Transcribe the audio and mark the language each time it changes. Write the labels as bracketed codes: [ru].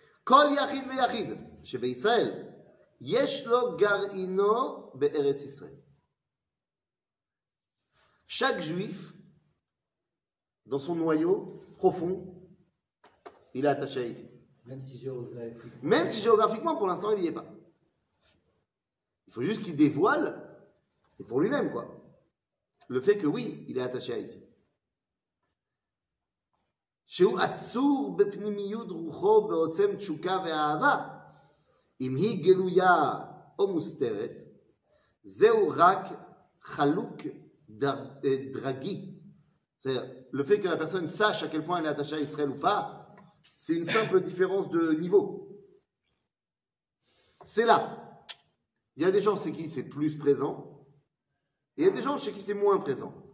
[he] כל יחיד ויחיד שבישראל יש לו גרעינו בארץ ישראל. [fr] Chaque juif dans son noyau profond il est attaché à ici. Même si géographiquement pour l'instant il n'y est pas. Il faut juste qu'il dévoile, c'est pour lui-même quoi, le fait que oui, il est attaché à ici. [he] שהוא עצור בפנימיות רוחו בעוצם תשוקה ואהבה, אם היא גלויה או מוסתרת, Zéou rak chalouk dragi. [fr] C'est-à-dire, le fait que la personne sache à quel point elle est attachée à Israël ou pas, c'est une simple différence de niveau. C'est là. Il y a des gens chez qui c'est plus présent, et il y a des gens chez qui c'est moins présent.